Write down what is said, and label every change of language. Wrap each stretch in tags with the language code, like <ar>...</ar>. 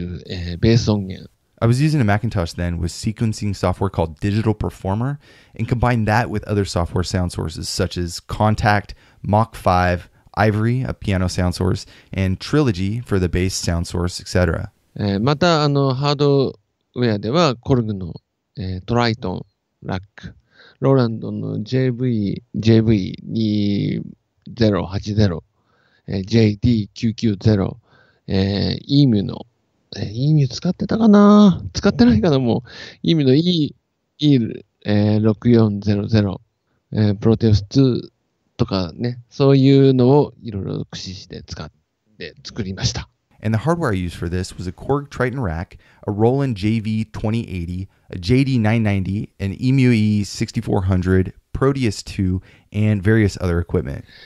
<en>I was using a Macintosh then with sequencing software called Digital Performer and combined that with other software sound sources such as Kontakt, Mach 5, Ivory, a piano sound source, and Trilogy for the bass sound source, etc.</en> <ja>またハードウェアではコルグの、トライトン、ラック、ローランドの JV2080、JD990、EMU の、EMU 使ってたかな?使ってないかな? もう、EMU の E6400、Proteus 2とかね、そういうのをいろいろ駆使して使って作りました。</ja> <en>And the hardware I used for this was a Korg Triton rack, a Roland JV2080, a JD990, an EMU-E 6400, Proteus 2, and various other equipment.</en>